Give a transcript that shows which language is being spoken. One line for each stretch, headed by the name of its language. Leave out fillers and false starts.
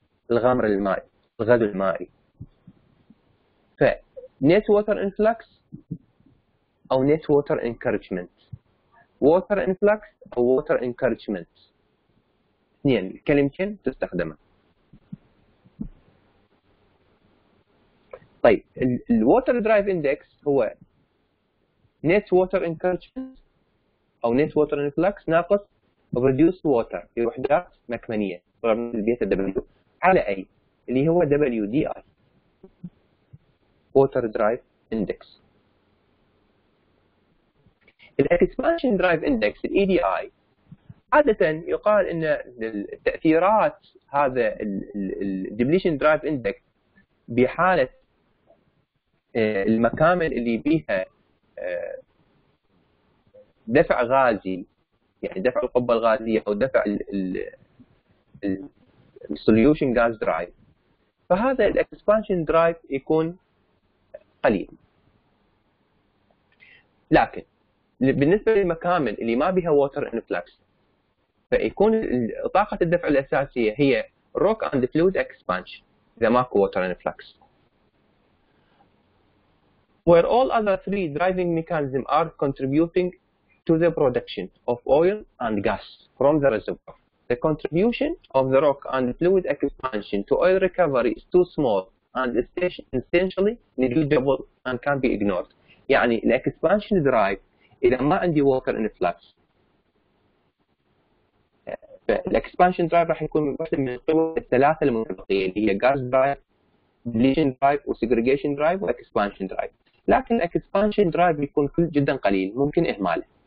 Arabic: الغمر المائي، الغزو المائي. ف net water influx أو net water encouragement. water influx أو water encouragement، اثنين كلمتين تستخدمها. طيب ال water drive index هو net water encouragement أو net water influx ناقص reduced water، في وحدات مكمنية البيت W على أي اللي هو WDI water drive index. ال expansion drive index ال EDI عادة يقال إن تأثيرات هذا ال depletion drive index بحالة المكامن اللي بيها دفع غازي، يعني دفع القبة الغازية أو دفع ال solution gas drive، فهذا ال expansion drive يكون قليل. لكن بالنسبة للمكامن اللي ما بها water influx فيكون طاقة الدفع الأساسية هي rock and fluid expansion إذا ماكو water influx.
English: Where all other three driving mechanisms are contributing to the production of oil and gas from the reservoir, the contribution of the rock and fluid expansion to oil recovery is too small and essentially negligible and can be ignored.
Arabic: يعني the expansion drive إذا ما عندي water influx، فال expansion drive راح يكون بس من قوة الثلاثة المتبقية اللي هي gas drive, depletion drive, segregation drive و expansion drive. لكن expansion drive يكون كل جدا قليل ممكن إهماله.